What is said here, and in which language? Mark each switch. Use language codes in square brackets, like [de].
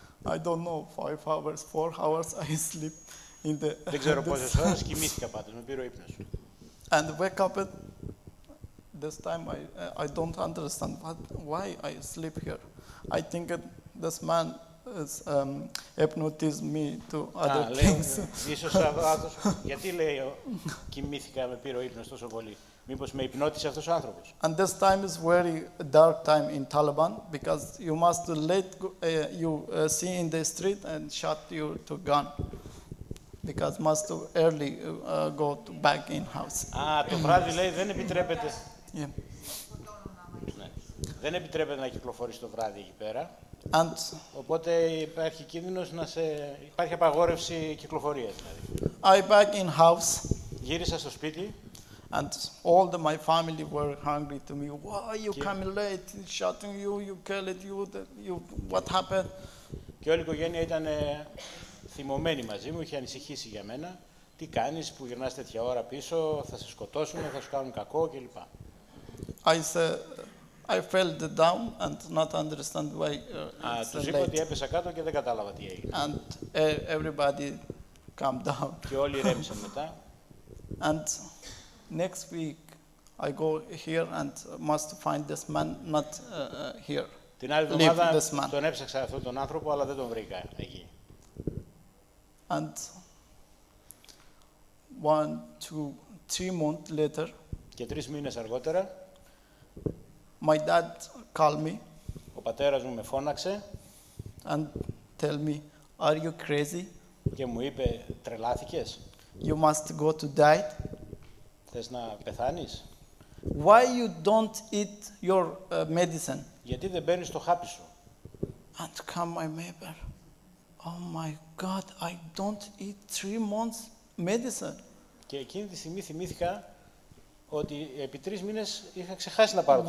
[en] I don't know, 5 hours, 4 hours I sleep in the. [el] Δεν ξέρω πόσες ώρες κοιμήθηκα πάντως, με πήρε ο ύπνος. [en] And wake up at this time I don't understand but why I sleep here. I think that this man is hypnotized me to other things. [el] Ίσως αυτός, γιατί λέει κοιμήθηκα με πήρε ο ύπνος τόσο πολύ. Μήπως με υπνώτησε αυτός ο άνθρωπος. [en] And this time is very dark time in Taliban because you must let you see in the street and shot you to gun because must early go to back in house. [el] Το βράδυ λέει δεν επιτρέπεται. [en] Yeah. [el] Ναι. Δεν επιτρέπεται να κυκλοφορείς το βράδυ εκεί πέρα. [en] And [el] οπότε υπάρχει κίνδυνος να σε υπάρχει απαγόρευση κυκλοφορίας δηλαδή. [en] I back in house. [el] Γύρισα στο σπίτι. [en] And all the, my family were hungry to me. Why you coming late? Shouting you, you killed you, you. What happened? [el] Και όλη η οικογένεια ήταν θυμωμένη μαζί μου, είχε ανησυχήσει για μένα. Τι κάνεις που γυρνάς τέτοια ώρα πίσω, θα σε σκοτώσουμε, θα σου κάνουν κακό κλπ. [en] I said, I felt down and not understand why [el] Του είπα ότι έπεσα κάτω και δεν κατάλαβα τι έγινε. [en] And everybody calmed down. [el] Και όλοι ρέμισαν μετά. [en] And next week I go here and must find this man not here. [el] Την άλλη εβδομάδα τον έψαξα αυτόν τον άνθρωπο αλλά δεν τον βρήκα εκεί. [en] And 1-2-3 months later. [el] Και 3 μήνες αργότερα. [en] My dad called me. [el] Ο πατέρας μου με φώναξε. [en] And tell me, are you crazy? [el] Και μου είπε, τρελάθηκες. [en] You must go to diet. [el] Θες να πεθάνεις. [en] Why you don't eat your medicine? [el] Γιατί δεν παίρνεις το χάπι σου. [en] And come my neighbor. Oh my God, I don't eat 3 months medicine. [el] Και εκείνη τη στιγμή θυμήθηκα ότι επί 3 μήνες είχα ξεχάσει να πάρω το